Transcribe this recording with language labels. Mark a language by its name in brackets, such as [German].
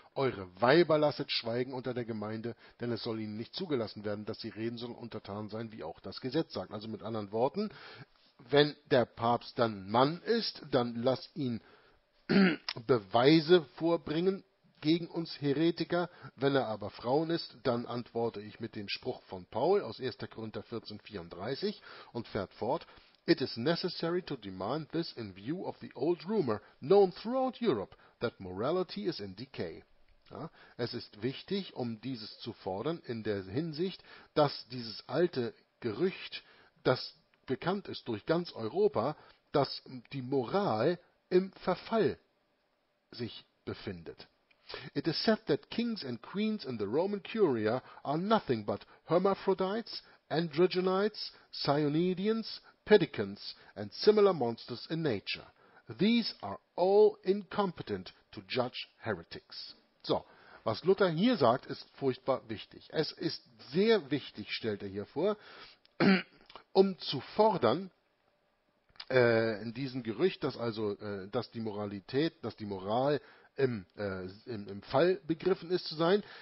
[German] Eure Weiber lasset schweigen unter der Gemeinde, denn es soll ihnen nicht zugelassen werden, dass sie reden, sondern untertan sein, wie auch das Gesetz sagt. Also mit anderen Worten, wenn der Papst dann Mann ist, dann lass ihn Beweise vorbringen, gegen uns Heretiker. Wenn er aber Frauen ist, dann antworte ich mit dem Spruch von Paul aus 1. Korinther 14, 34 und fährt fort: [English] It is necessary to demand this in view of the old rumor known throughout Europe that morality is in decay. [German] Ja, es ist wichtig, um dieses zu fordern, in der Hinsicht, dass dieses alte Gerücht, das bekannt ist durch ganz Europa, dass die Moral im Verfall sich befindet. [English] It is said that kings and queens in the Roman Curia are nothing but hermaphrodites, androgynites, cyanidians, pedicans, and similar monsters in nature. These are all incompetent to judge heretics. [German] So, was Luther hier sagt, ist furchtbar wichtig. Es ist sehr wichtig, stellt er hier vor, um zu fordern, in diesem Gerücht, dass also, dass die Moralität, dass die Moral im Fall begriffen ist zu sein.